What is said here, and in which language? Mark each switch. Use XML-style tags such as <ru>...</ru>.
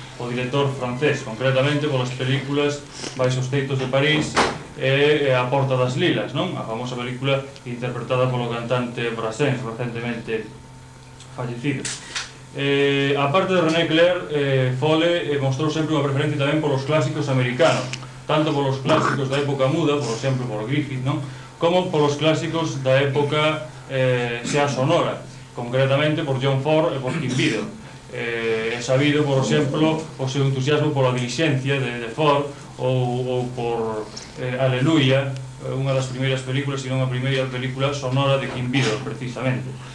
<gl>O director francés, concretamente polas películas Baixo os teitos de París e A porta das lilas, non? A famosa película interpretada polo cantante Brassens, recentemente fallecido. A parte de René Clair, Fole mostrou sempre unha preferencia tamén polos clásicos americanos, tanto polos clásicos da época muda, por exemplo, por Griffith, non?</gl> <es>como por los clásicos de la época sea sonora, concretamente por John Ford y por Kim Biddle. He sabido, por ejemplo, o su entusiasmo por la diligencia de Ford o por Aleluya, una de las primeras películas, si no la primera película sonora de Kim Biddle, precisamente.</es>